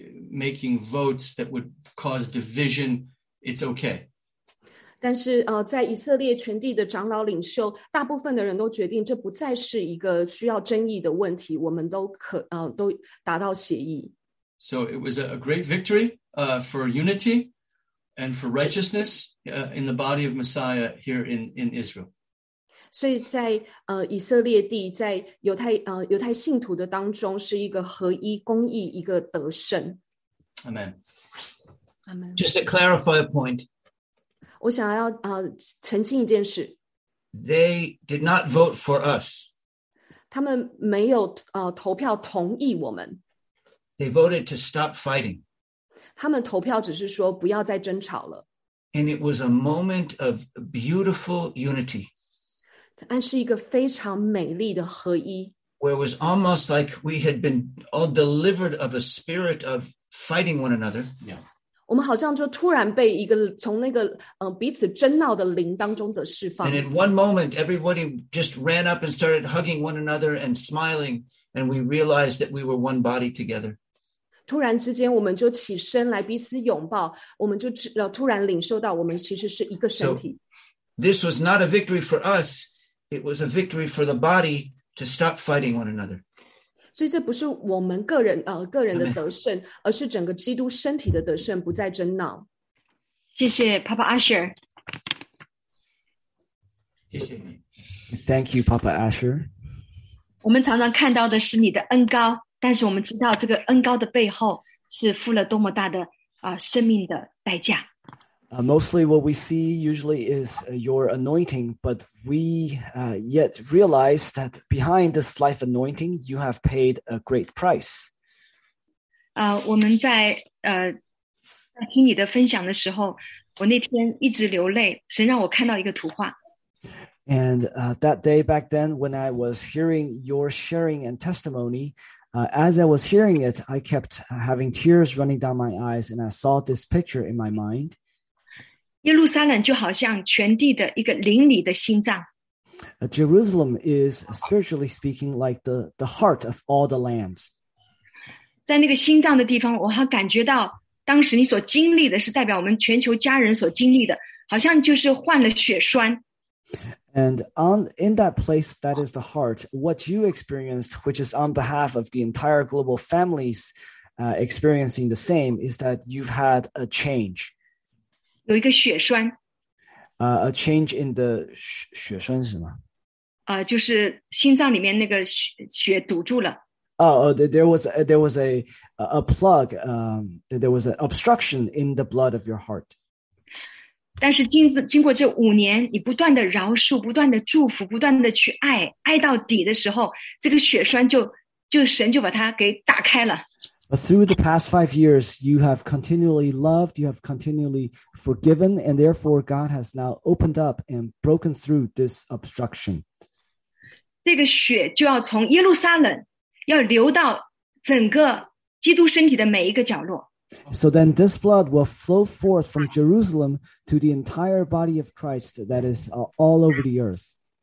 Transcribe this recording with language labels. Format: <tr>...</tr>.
<en>Making votes that would cause division, it's okay.</en> <zh>但是在以色列全地的长老领袖，大部分的人都决定这不再是一个需要争议的问题，我们都都达到协议。</zh> <en>So it was a great victory for unity and for righteousness in the body of Messiah here in Israel.</en> <zh>所以在以色列地，在犹太信徒的当中，是一个合一、公义、一个得胜。</zh> <en>Amen. Amen. Just to clarify a point.</en> <zh>我想要澄清一件事。</zh> <en>They did not vote for us.</en> <zh>他们没有投票同意我们。</zh> <en>They voted to stop fighting.</en> <zh>他们投票只是说不要再争吵了。</zh> <en>And it was a moment of beautiful unity.</en> <zh>但是一个非常美丽的合一。</zh> <en>Where it was almost like we had been all delivered of a spirit of fighting one another. Yeah.</en> <zh>我们好像就突然被一个从那个彼此争闹的灵当中的释放。</zh> <en>And in one moment, everybody just ran up and started hugging one another and smiling, and we realized that we were one body together.</en> <zh>突然之间我们就起身来彼此拥抱，我们就突然领受到我们其实是一个身体。</zh> <en>This was not a victory for us. It was a victory for the body to stop fighting one another.</en> <zh>所以这不是我们个人的得胜，而是整个基督身体的得胜，不再争闹。谢谢 Papa Asher. 谢谢你。</zh> <en>Thank you, Papa Asher.</en> <zh>我们常常看到的是你的恩膏，但是我们知道这个恩膏的背后是付了多么大的生命的代价。</zh> <en>Mostly what we see usually is your anointing, but we yet realize that behind this life anointing, you have paid a great price.</en> <zh>我们在听你的分享的时候，我那天一直流泪，神让我看到一个图画。</zh> <en>And that day back then, when I was hearing your sharing and testimony, as I was hearing it, I kept having tears running down my eyes, and I saw this picture in my mind.</en> <zh>耶路撒冷就好像全地的一个灵里的心脏。</zh> <en>Jerusalem is, spiritually speaking, like the heart of all the lands.</en> <zh>在那个心脏的地方，我还感觉到当时你所经历的是代表我们全球家人所经历的，好像就是患了血栓。</zh> <en>And in that place that is the heart, what you experienced, which is on behalf of the entire global families experiencing the same, is that you've had a change.</en> <zh>有一个血栓。</zh> <en>A change in the</en> <zh>血栓是什么？就是心脏里面那个 血堵住了。</zh> <en>There was a plug, there was an obstruction in the blood of your heart.</en> <zh>但是经过这五年，你不断的饶恕，不断的祝福，不断的去爱，爱到底的时候，这个血栓就神就把它给打开了。</zh> <en>But through the past 5 years, you have continually loved, you have continually forgiven, and therefore God has now opened up and broken through this obstruction.</en> <zh>这个血就要从耶路撒冷，要流到整个基督身体的每一个角落。</zh> <en>So then this blood will flow forth from Jerusalem to the entire body of Christ that is all over the earth.</en>